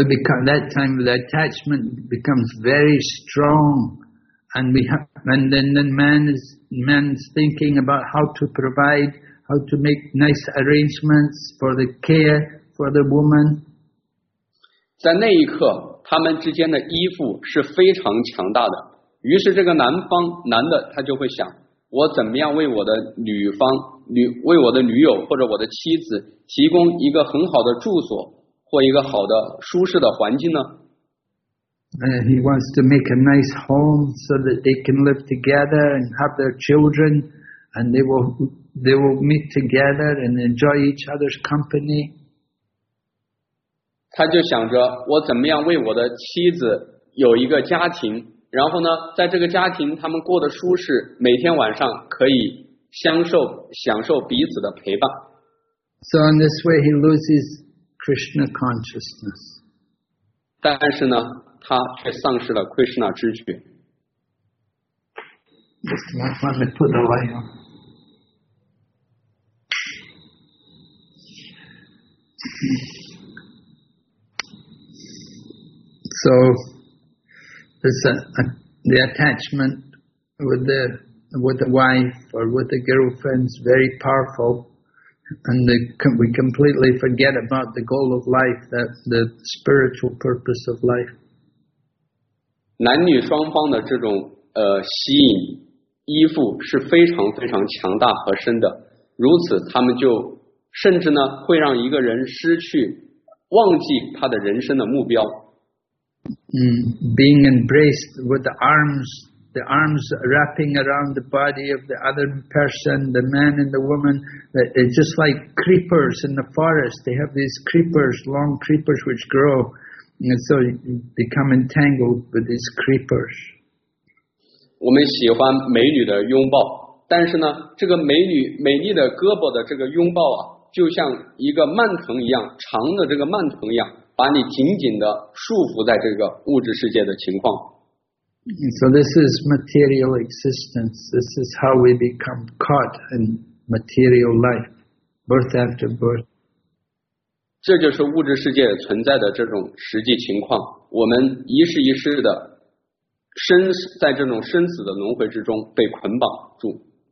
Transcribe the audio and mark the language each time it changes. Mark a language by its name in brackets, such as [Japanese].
[English] that time the attachment becomes very strong, and we have, and then the man's thinking about how to provide, how to make nice arrangements for the care for the woman. [Chinese] 在那一刻，他们之间的依附是非常强大的。于是这个男的他就会想，我怎么样为我的女友或者我的妻子提供一个很好的住所或一个好的舒适的环境呢？ [English] He wants to make a nice home so that they can live together and have their children, and they will meet together and enjoy each other's company. [Chinese] 他就想着我怎么样为我的妻子有一个家庭，然后呢，在这个家庭他们过得舒适，每天晚上可以享受彼此的陪伴。 [English] So in this way, he loses Krishna consciousness. [Chinese] 但是呢，他却丧失了 Krishna 知觉。 [English] Just let me put the light on. So, the attachment with the wife or with the girlfriend is very powerful. And we completely forget about the goal of life, that the spiritual purpose of life. [Chinese] 男女双方的这种吸引依附是非常非常强大和深的，如此他们就甚至呢会让一个人失去忘记他的人生的目标。 [English] Being embraced with the arms wrapping around the body of the other person, the man and the woman, it's just like creepers in the forest. They have these creepers, long creepers which grow, and so you become entangled with these creepers. [Chinese] 我们喜欢美女的拥抱，但是呢，这个美女美丽的胳膊的这个拥抱啊，就像一个蔓藤一样，长的这个蔓藤一样，把你紧紧的束缚在这个物质世界的情况。 [English] So this is material existence. This is how we become caught in material life, birth after birth. [Chinese] 这就是物质世界存在的这种实际情况。我们一世一世的生在这种生死的轮回之中被捆绑住。